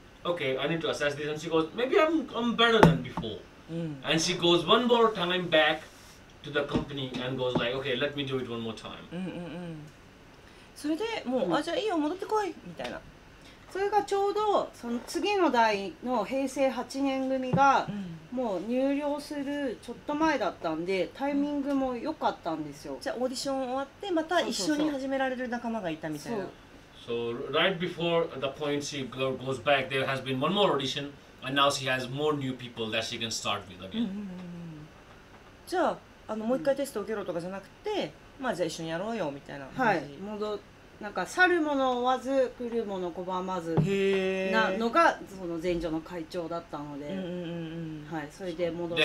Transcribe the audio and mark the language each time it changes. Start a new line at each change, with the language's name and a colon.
English: okay, I need to assess this. And she goes, maybe I'm better than before. And she goes one more time back to the company and goes like, okay, let me do it one more time.
Japanese: それでもう、じゃあいいよ、戻ってこいみたいな。それがちょうどその次の代の平成8年組がもう入寮するちょっと前だったんで、タイミングも良かったんですよ。じゃあオーディション終わってまた一緒に始められる仲間がいたみたいな。
English: So right before the point she goes back, there has been one more audition, and now she has more new people that she can start with again.
Japanese: じゃあ、もう一回テスト受けろとかじゃなくて、まあじゃあ一緒にやろうよみたいな感じ。はい。戻なんか去る者を追わず来る者拒まずなのがその前女の会長だったので、はい、それで戻って